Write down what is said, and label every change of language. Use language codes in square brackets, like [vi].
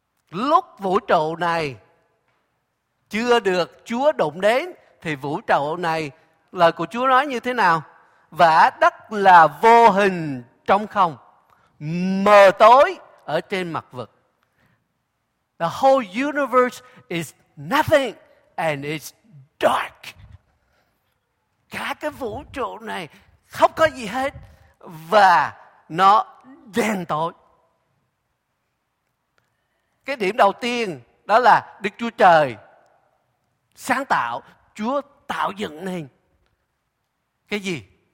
[vi] Lúc vũ trụ này chưa được Chúa đụng đến, thì vũ trụ này, lời của Chúa nói như thế nào? Vả đất là vô hình trong không, mờ tối ở trên mặt vực. [en] The whole universe is nothing and it's dark. [vi] Cả cái vũ trụ này không có gì hết và nó đen tối. Cái điểm đầu tiên đó là Đức Chúa Trời sáng tạo, Chúa tạo dựng nên cái gì?